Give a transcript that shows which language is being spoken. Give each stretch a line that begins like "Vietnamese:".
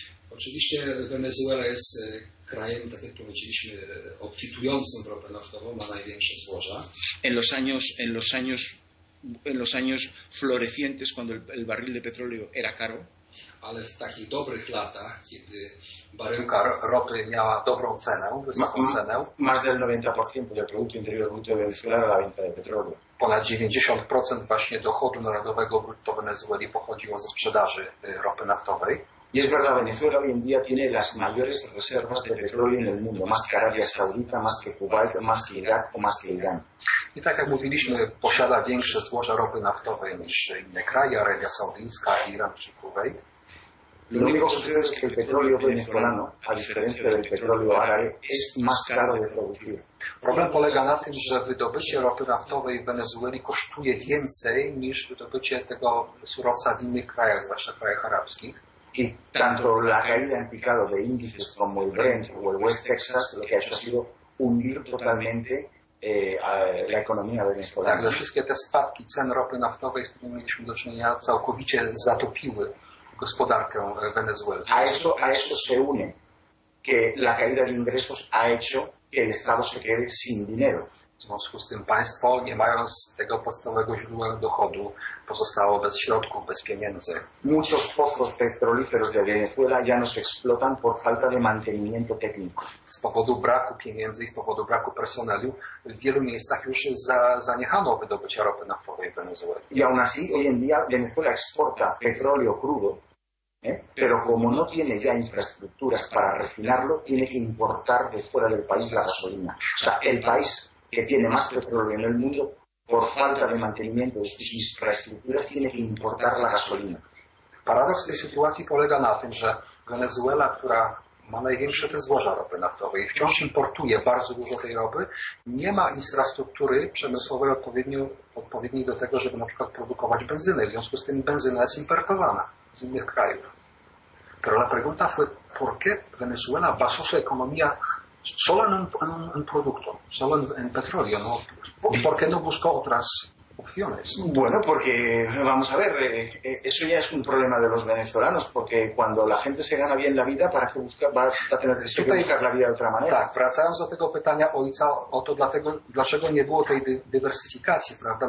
Polish: Oczywiście Wenezuela jest krajem, tak jak powiedzieliśmy, obfitującym w ropę naftową, ma największe złoża.
Spanish: En los años florecientes, cuando el barril de petróleo era caro.
Polish: Ale w takich dobrych latach, kiedy baryłka ropy miała dobrą cenę, wysoką cenę.
Spanish: Más del 90% del producto interior bruto de Venezuela era la venta de petróleo.
Polish: Ponad 90% właśnie dochodu narodowego brutto Wenezueli pochodziło ze sprzedaży ropy naftowej.
Spanish: Y es verdad, Venezuela hoy en día tiene las mayores reservas de petróleo en el mundo, más que Arabia Saudita, más que Kuwait, más que Irak o más que Irán.
Polish: I tak jak mówiliśmy, posiada większe złoża ropy naftowej niż inne kraje, Arabia Saudyjska, Iran czy Kuwait.
Spanish: Lo único que sucede es que el petróleo venezolano, a diferencia del petróleo árabe, es más caro de producir.
Polish: Problem polega na tym, że wydobycie ropy naftowej w Wenezueli kosztuje więcej niż wydobycie tego surowca w innych krajach, zwłaszcza krajach arabskich.
Spanish: Y tanto la caída en picado de índices como el Brent o el West Texas, lo que ha hecho ha sido hundir totalmente la economía venezolana.
Polish: Tak, wszystkie te spadki cen ropy naftowej, z którymi mieliśmy do czynienia, całkowicie zatopiły gospodarkę wenezuelską.
Spanish: A eso se une que la caída de ingresos ha hecho que el Estado se quede sin dinero.
Polish: W związku z tym państwo, nie mając tego podstawowego źródła dochodu, pozostało bez środków, bez pieniędzy.
Spanish: Muchos pozos petrolíferos de Venezuela ya no se explotan por falta de mantenimiento técnico.
Polish: Z powodu braku pieniędzy i z powodu braku personelu w wielu miejscach już zaniechano wydobycia ropy naftowej w Wenezueli.
Spanish: Y aún así, hoy en día Venezuela exporta petróleo crudo, pero como no tiene ya infraestructuras para refinarlo, tiene que importar de fuera del país la gasolina. O sea, el país que tiene más petróleo en el mundo, por falta de mantenimiento de sus infraestructuras, tiene que importar la gasolina.
Polish: Paradoks tej sytuacji polega na tym, że Wenezuela, która ma największe te złoża ropy naftowej i wciąż importuje bardzo dużo tej ropy, nie ma infrastruktury przemysłowej odpowiedniej do tego, żeby na przykład produkować benzynę. W związku z tym benzyna jest importowana z innych krajów.
Spanish: Pero la pregunta fue, ¿por qué Venezuela basó su economía solo en un producto, solo en petróleo? ¿No? ¿Por qué no buscó otras opciones. Bueno, porque vamos a ver, eso ya es un problema de los venezolanos, porque cuando la gente se gana bien la vida, ¿para qué busca, va a tener que buscar la vida de otra manera?
Polish: Tak, wracając do tego pytania ojca o to, dlatego, dlaczego nie było tej dywersyfikacji, prawda?